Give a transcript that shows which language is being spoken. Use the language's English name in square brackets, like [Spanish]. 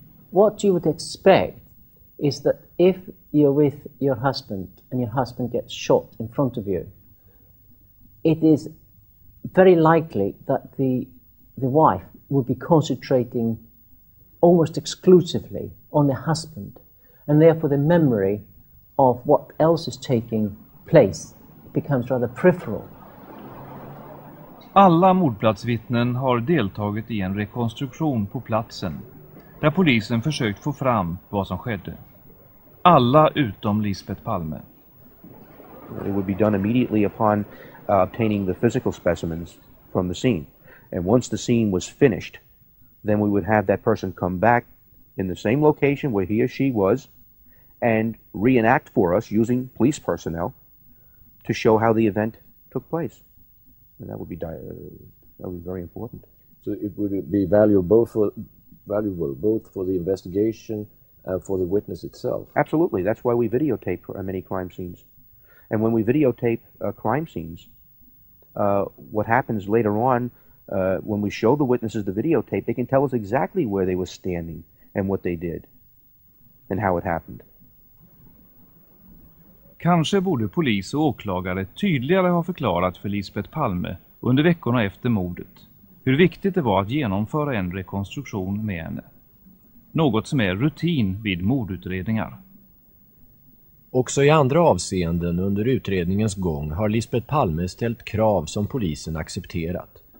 [English] What you would expect is that if you're with your husband and your husband gets shot in front of you, it is very likely that the wife would be concentrating almost exclusively on the husband, and therefore the memory of what else is taking place becomes rather peripheral. [Swedish] Alla mordplatsvittnen har deltagit i en rekonstruktion på platsen där polisen försökt få fram vad som skedde. Alla utom Lisbet Palme. [English] It would be done immediately upon obtaining the physical specimens from the scene. And once the scene was finished, then we would have that person come back in the same location where he or she was and reenact for us using police personnel to show how the event took place. And that would be very important. So it would be valuable both for the investigation and for the witness itself? Absolutely. That's why we videotape many crime scenes. And when we videotape crime scenes, what happens later on, when we show the witnesses the videotape, they can tell us exactly where they were standing and what they did and how it happened. [Swedish] Kanske borde polis och åklagare tydligare ha förklarat för Lisbet Palme under veckorna efter mordet hur viktigt det var att genomföra en rekonstruktion med henne. Något som är rutin vid mordutredningar. Också i andra avseenden under utredningens gång har Lisbet Palme ställt krav som polisen accepterat.